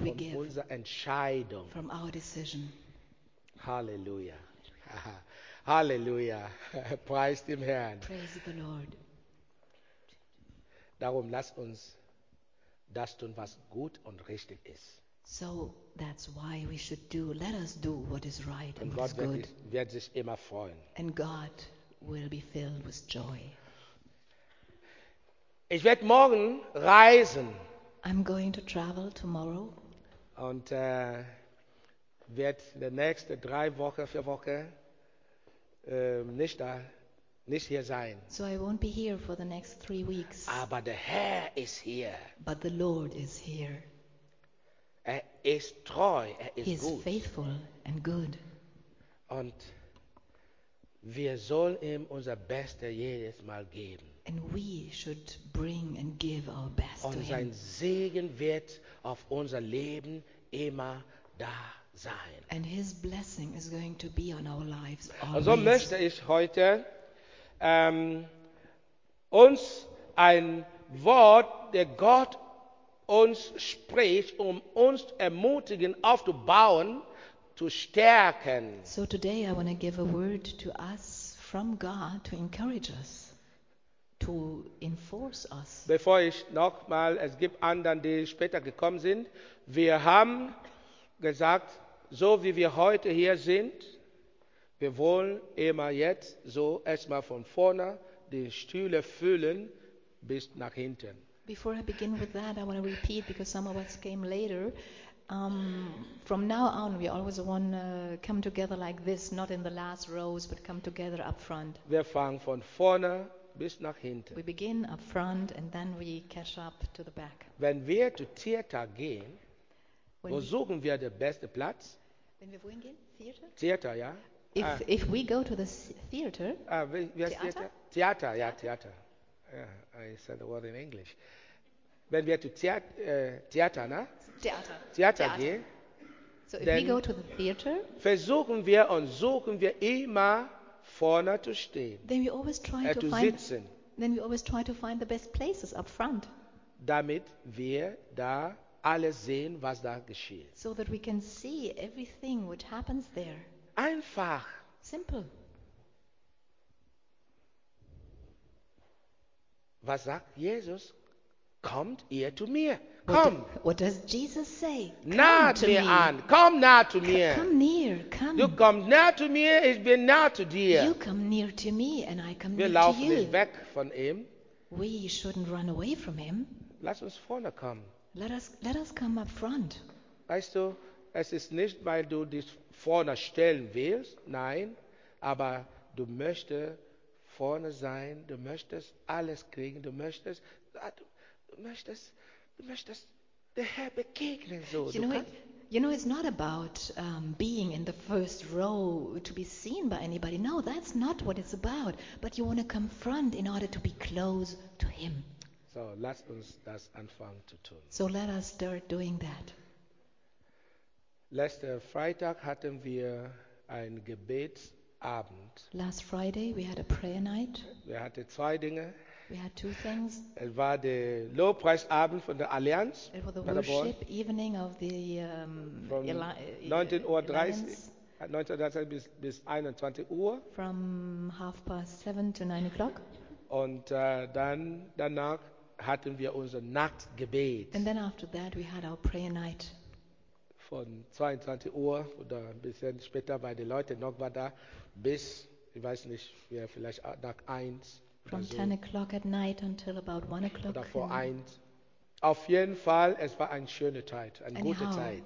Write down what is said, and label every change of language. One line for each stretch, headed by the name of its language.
German: von unserer Entscheidung.
English: From our decision.
German: Halleluja. Halleluja. Preis dem Herrn.
English: Praise the Lord.
German: Darum lass uns das tun, was gut und richtig ist.
English: So that's why we should do, let us do what is right and what is good. Und
German: Gott wird sich immer freuen.
English: And God will be filled with joy.
German: Ich werde morgen reisen.
English: I'm going to travel tomorrow.
German: Und werde die nächste 3 Wochen, 4 Wochen nicht hier sein.
English: So I won't be here for the next 3 weeks.
German: Aber der Herr ist hier.
English: But the Lord is here.
German: Er ist treu, er ist
English: he is
German: gut.
English: Faithful and good.
German: Und wir sollen ihm unser Bestes jedes Mal geben.
English: And we should bring and give our best
German: und
English: to
German: sein
English: him.
German: Segen wird auf unser Leben immer da sein.
English: And his blessing is going to be on our lives always.
German: Und so möchte ich heute uns ein Wort, der Gott uns spricht, um uns zu ermutigen, aufzubauen, zu stärken.
English: So today I want to give a word to us from God to encourage us, to enforce us.
German: Bevor ich nochmal, es gibt anderen, die später gekommen sind, wir haben gesagt, so wie wir heute hier sind, wir wollen immer jetzt so erstmal von vorne die Stühle füllen bis nach hinten.
English: Before I begin with that, I want to repeat because some of us came later. From now on, we always want to come together like this, not in the last rows, but come together up front.
German: Wir fangen von vorne bis nach hinten.
English: We begin up front and then we catch up to the back.
German: Wenn wir zu Theater gehen, wo suchen wir den besten Platz? Wenn wir wohin gehen? Theater? Theater, ja.
English: If we go to the theater,
German: Theater, ja, Theater.
English: Yeah, I said the word in English.
German: Wenn wir zu Theater, ne? Theater. Gehen.
English: So if we go to the theater,
German: versuchen wir immer vorne zu stehen.
English: Then we always try to find.
German: Sitzen,
English: then we always try to find the best places up front.
German: Damit wir da alles sehen, was da geschieht.
English: So that we can see everything which happens there.
German: Einfach.
English: Simple.
German: Was sagt Jesus? Kommt ihr zu mir. Komm.
English: What does Jesus say?
German: Nah zu mir an. Komm nah zu mir.
English: Come near. Come.
German: Du kommst nah zu mir, ich bin nah zu dir.
English: You come near to me and I come
German: wir
English: near to you.
German: Wir laufen nicht weg von ihm.
English: We shouldn't run away from him.
German: Lass uns vorne kommen.
English: Let us come up front.
German: Weißt du, es ist nicht, weil du dich vorne stellen willst, nein, aber du möchtest vorne sein, du möchtest alles kriegen, du möchtest der Herr begegnen.
English: So. You know, it's not about being in the first row to be seen by anybody. No, that's not what it's about. But you want to come front in order to be close to him.
German: So, lass uns das anfangen zu tun.
English: So, let us start doing that.
German: Letzten Freitag hatten wir ein Gebetsabend.
English: Last Friday we had a prayer night.
German: Wir hatten 2 Dinge.
English: We had 2 things.
German: Es war der Lobpreisabend von der Allianz.
English: It was the worship evening of the
German: 19:30 bis 21 Uhr.
English: From 7:30 to 9:00.
German: Und dann danach hatten wir unser Nachtgebet.
English: And then after that we had our prayer night.
German: Von 22 Uhr oder ein bisschen später, weil die Leute noch waren da, bis, ich weiß nicht, ja, vielleicht nach 1.
English: From 10 o'clock at night until about 1 o'clock.
German: Oder vor 1. Auf jeden Fall, es war eine schöne Zeit, eine
English: Anyhow,
German: gute Zeit.